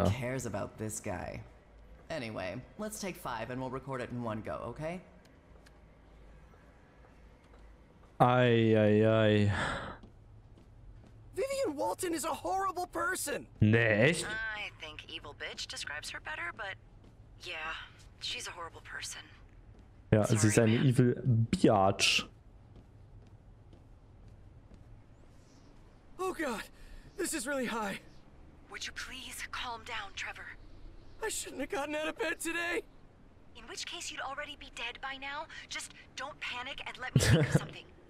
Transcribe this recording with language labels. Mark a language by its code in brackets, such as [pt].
[en] Who cares about this guy? Anyway, let's take five and we'll record it in one go, okay? Ai, ai, ai. Vivian Walton is a horrible person! [de] Nee, echt? [en] I think evil bitch describes her better, but yeah, she's a horrible person. [de] Ja, sorry, sie ist eine [en] evil biatch. Oh god, this is really high. Would you please calm down, Trevor? I shouldn't have gotten out of bed today. In which case you'd already be dead by now. Just don't panic and let me think of something.